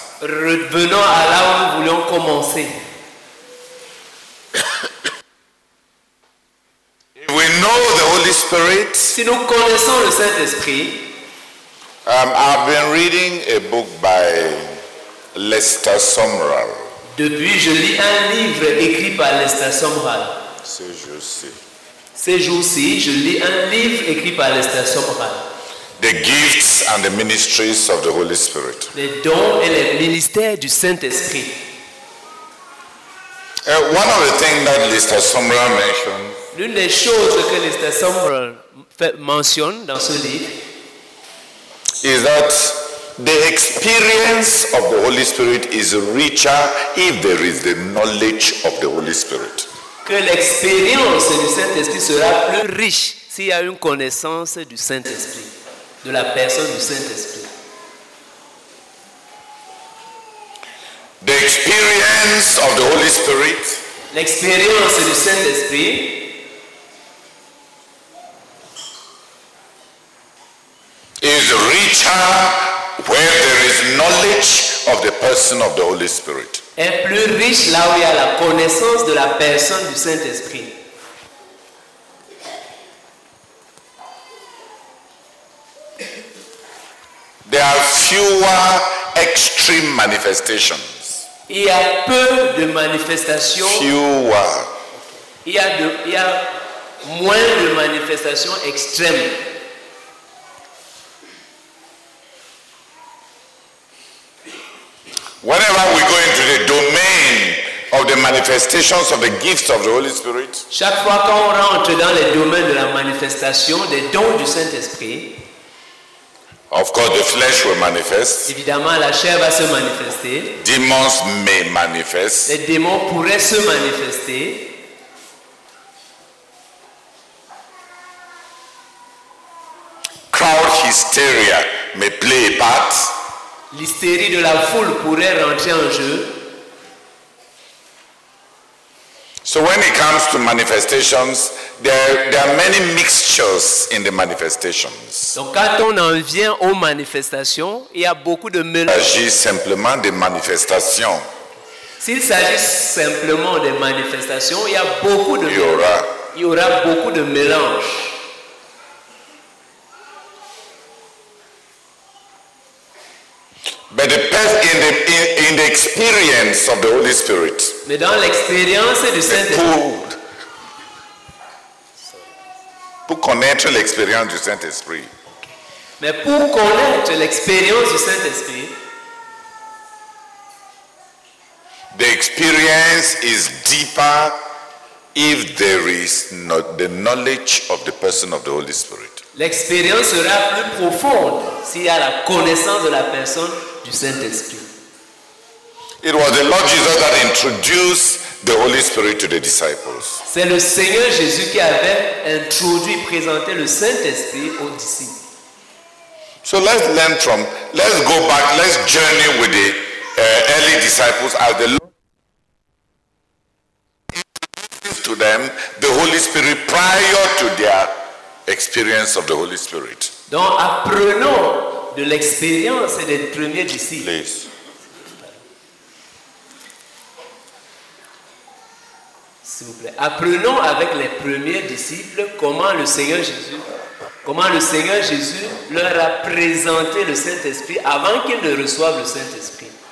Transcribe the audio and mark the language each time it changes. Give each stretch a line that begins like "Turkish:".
French: Revenons à là où nous voulions commencer.
English: We know the Holy Spirit.
French: Si nous connaissons le Saint-Esprit,
English: I've been reading a book by Lester Sumrall.
French: Depuis, je lis un livre écrit par Lester Sumrall. Ces jours-ci, je lis un livre écrit par Lester Sumrall.
English: The gifts and the ministries of the Holy Spirit.
French: Les dons et les ministères du Saint-Esprit.
English: One of the things that Lester Sumrall mentioned.
French: L'une des choses que Lester Sumrall mentionne dans ce livre
English: is that the experience of the Holy Spirit is richer if there is the knowledge of the Holy Spirit.
French: Que l'expérience du Saint-Esprit sera plus riche s'il y a une connaissance du Saint-Esprit, de la personne du Saint-Esprit.
English: The experience of the Holy Spirit.
French: L'expérience du Saint-Esprit.
English: Is richer where there is knowledge of the person of the Holy Spirit.
French: Est plus riche là où il y a la connaissance de la personne du Saint-Esprit.
English: There are fewer extreme manifestations.
French: Il y a peu de manifestations.
English: Fewer.
French: Il y a moins de manifestations extrêmes.
English: Whenever we go into the domain of the manifestations of the gifts of the Holy Spirit,
French: chaque fois qu'on rentre dans le domaine de la manifestation des dons du Saint-Esprit,
English: of course the flesh will manifest.
French: Évidemment, la chair va se manifester.
English: Demons may manifest.
French: Les démons pourraient se manifester.
English: Crowd hysteria may play a part.
French: L'hystérie de la foule pourrait rentrer en jeu.
English: So when it comes to manifestations, there are many mixtures in the manifestations.
French: Donc quand on en vient aux manifestations, il y a beaucoup de mélanges. S'agit simplement des manifestations. S'il s'agit simplement des manifestations, il y a beaucoup de il y aura beaucoup de mélanges.
English: But the person in the experience of the Holy Spirit.
French: Mais dans l'expérience du Saint-Esprit. Pour connaître l'expérience du Saint-Esprit. Mais pour connaître l'expérience du Saint-Esprit.
English: The experience is deeper if there is not the knowledge of the person of the Holy Spirit.
French: L'expérience sera plus profonde s'il y a la connaissance de la personne. Du Saint-Esprit.
English: It was the Lord Jesus that introduced the Holy Spirit to the disciples.
French: C'est le Seigneur Jésus qui avait introduit, présenté le Saint-Esprit aux disciples.
English: So let's go back, let's journey with the early disciples as the Lord introduced to them the Holy Spirit prior to their experience of the Holy Spirit.
French: Donc apprenons de l'expérience et des premiers disciples.
English: Please.
French: S'il vous plaît. Apprenons avec les premiers disciples comment le Seigneur Jésus leur a présenté le Saint-Esprit avant qu'ils ne reçoivent le Saint-Esprit.